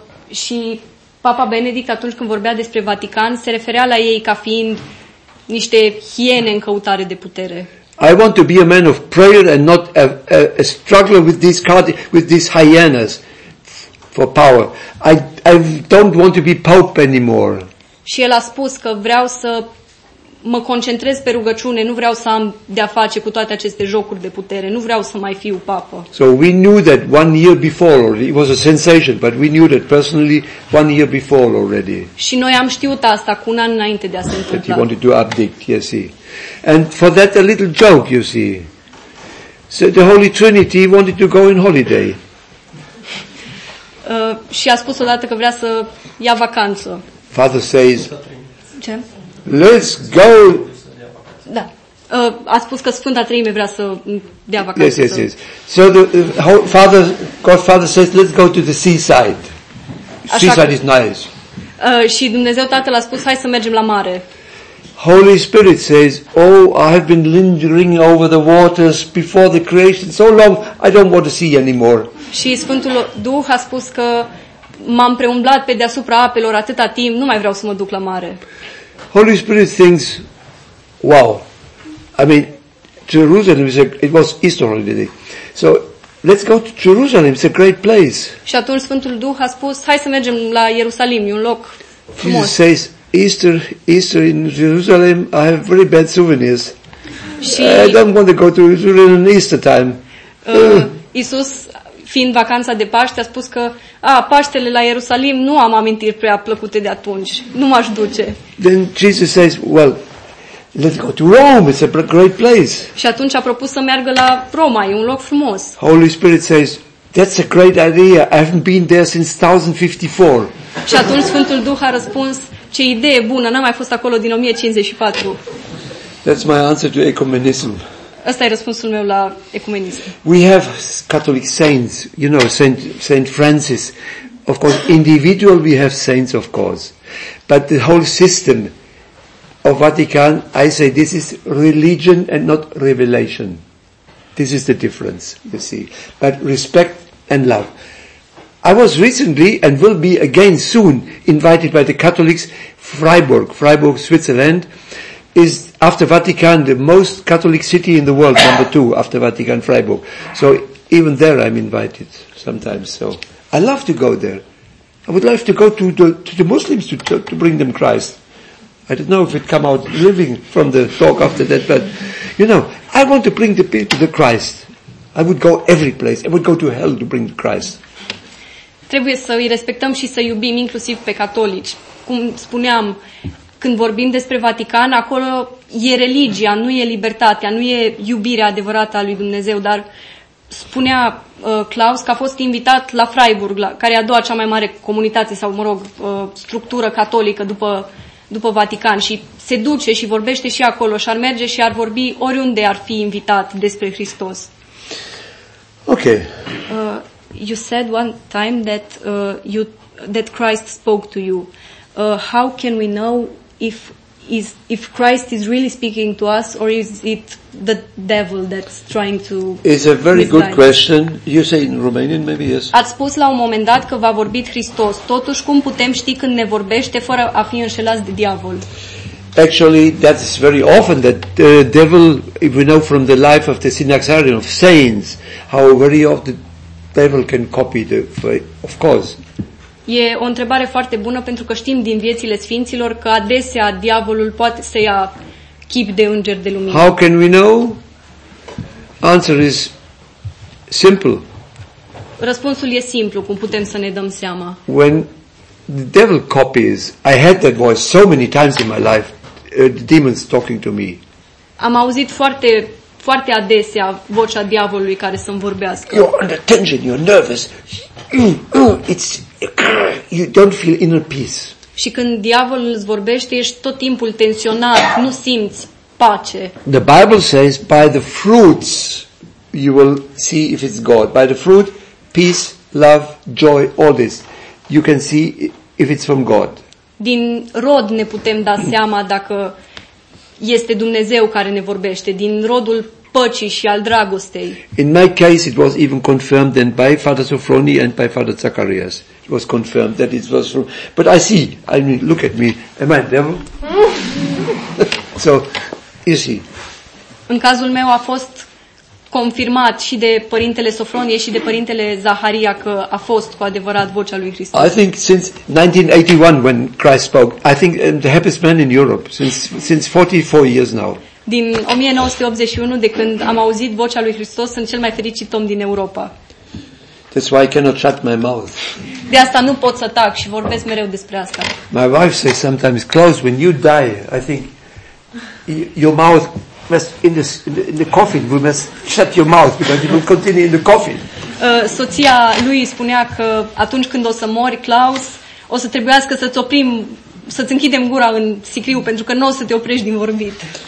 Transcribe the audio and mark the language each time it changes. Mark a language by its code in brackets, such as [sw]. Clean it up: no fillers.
[ro] Și Papa Benedict, atunci când vorbea despre Vatican, se referea la ei ca fiind niște hiene în căutare de putere. [en] I want to be a man of prayer and not a struggler with these hyenas for power. I don't want to be pope anymore. [ro] Și el a spus că vreau să mă concentrez pe rugăciune, nu vreau să am de-a face cu toate aceste jocuri de putere, nu vreau să mai fiu papă. [en] So we knew that one year before, it was a sensation, but we knew that personally one year before already. [ro] Și noi am știut asta cu un an înainte de a se întâmpla. [en] That he wanted to abdict, yes, see. And for that a little joke, you see. So the Holy Trinity wanted to go on holiday. [ro] Și a spus odată că vrea să ia vacanță. [en] Father says, [ro] ce? [en] Let's go. [ro] Da. A spus că Sfânta Treime vrea să dea vacanță. [en] Yes, yes, yes. So the Father, Godfather says, let's go to the seaside. [ro] Așa [en] seaside [ro] că, [en] is nice. [ro] Și Dumnezeu Tatăl a spus, hai să mergem la mare. [en] Holy Spirit says, oh, I have been lingering over the waters before the creation so long, I don't want to see anymore. [ro] Și Sfântul Duh a spus că m-am preumblat pe deasupra apelor atâta timp, nu mai vreau să mă duc la mare. [en] Holy Spirit thinks, wow, I mean, Jerusalem is a, it was Easter holiday. So, let's go to Jerusalem, it's a great place. [ro] Și atunci Sfântul Duh a spus, hai să mergem la Ierusalim, e un loc frumos. [en] Jesus says, Easter in Jerusalem, I have very bad souvenirs. [ro] Și [en] I don't want to go to Jerusalem in Easter time. [ro] Iisus, fiind vacanța de Paște, a spus că Paștele la Ierusalim nu am amintiri prea plăcute de atunci. Nu m-aș duce. [en] Then Jesus says, well, let's go to Rome. It's a great place. [ro] Și atunci a propus să meargă la Roma. E un loc frumos. [en] Holy Spirit says, that's a great idea. I haven't been there since 1054. [ro] Și atunci Sfântul Duh a răspuns, ce idee bună, n-am mai fost acolo din 1054. [en] That's my answer to ecumenism. [ro] Asta e răspunsul meu la ecumenism. [en] We have Catholic saints, you know, Saint Francis. Of course, individual we have saints, of course. But the whole system of Vatican, I say this is religion and not revelation. This is the difference, you see. But respect and love. I was recently and will be again soon invited by the Catholics, Freiburg, Switzerland, is after Vatican the most Catholic city in the world, number two after Vatican, Freiburg. So even there I'm invited sometimes. So I love to go there. I would love to go to the Muslims to bring them Christ. I don't know if it come out living from the talk after that, but you know, I want to bring the people to Christ. I would go every place. I would go to hell to bring Christ. [ro] Trebuie să îi respectăm și să iubim inclusiv pe catolici. Cum spuneam, când vorbim despre Vatican, acolo e religia, nu e libertatea, nu e iubirea adevărată a lui Dumnezeu, dar spunea Klaus că a fost invitat la Freiburg, la, care e a doua cea mai mare comunitate sau, mă rog, structură catolică după, după Vatican și se duce și vorbește și acolo și ar merge și ar vorbi oriunde ar fi invitat despre Hristos. [en] Ok. You said one time that that Christ spoke to you. How can we know if Christ is really speaking to us or is it the devil that's trying to? It's a very good question. You say in Romanian, maybe yes. [ro] Ați spus la un moment dat că v-a vorbit Hristos. Totuși, cum putem ști când ne vorbește fără a fi înșelați de diavol? [en] Actually, that's very often that the devil, if we know from the life of the Synaxarion, of saints, how very often the devil can copy the faith, of course. [ro] E o întrebare foarte bună pentru că știm din viețile sfinților că adesea diavolul poate să ia chip de înger de lumină. [en] How can we know? Answer is simple. [ro] Răspunsul e simplu, cum putem să ne dăm seama. [en] When the devil copies, I had that voice so many times in my life, the demons talking to me. [ro] Am auzit foarte foarte adesea vocea diavolului care să-mi vorbească. [en] You're under tension, you're nervous. It's you don't feel inner peace. [ro] Și când diavolul îți vorbește, ești tot timpul tensionat, nu simți pace. [en] The Bible says by the fruits you will see if it's God. By the fruit, peace, love, joy, all this. You can see if it's from God. [ro] Din rod ne putem da seama dacă este Dumnezeu care ne vorbește, din rodul păcii și al dragostei. [en] In my case it was even confirmed then by Father Sofroni and by Father Zacharias. It was confirmed that it was from, but I see, I mean, look at me, am I a devil? So, you see. [ro] În cazul meu a fost confirmat și de Părintele Sofronie și de Părintele Zaharia că a fost cu adevărat vocea lui Hristos. [en] I think since 1981 when Christ spoke, I think I'm the happiest man in Europe since 44 years now. [ro] Din 1981, de când am auzit vocea lui Hristos, sunt cel mai fericit om din Europa. [en] That's why I cannot shut my mouth. [ro] De asta nu pot să tac și vorbesc mereu despre asta. [en] My wife says sometimes, Klaus, when you die, I think your mouth must in the coffin. We must shut your mouth because it will continue in the coffin. [ro] Soția lui spunea că atunci când o să mori, Klaus, o să trebuiască să-ți oprim, să-ți închidem gura în sicriu pentru că nu o să te oprești din vorbit.